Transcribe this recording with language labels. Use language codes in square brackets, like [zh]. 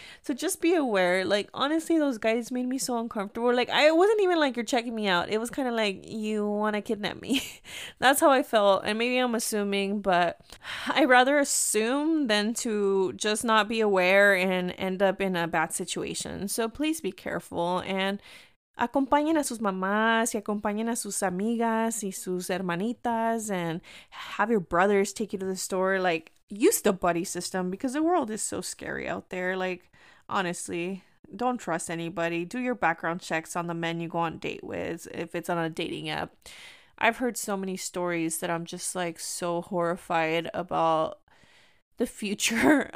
[en] So just be aware. Like, honestly, those guys made me so uncomfortable. Like, I wasn't even like, you're checking me out. It was kind of like, you want to kidnap me. That's how I felt. And maybe I'm assuming, but I'd rather assume than to just not be aware and end up in a bad situation. So please be careful. [es] And acompañen a sus mamás y acompañen a sus amigas y sus hermanitas, [en] and have your brothers take you to the store. Like, use the buddy system, because the world is so scary out there. Like, honestly, don't trust anybody. Do your background checks on the men you go on date with if it's on a dating app. I've heard so many stories that I'm just like so horrified about the future.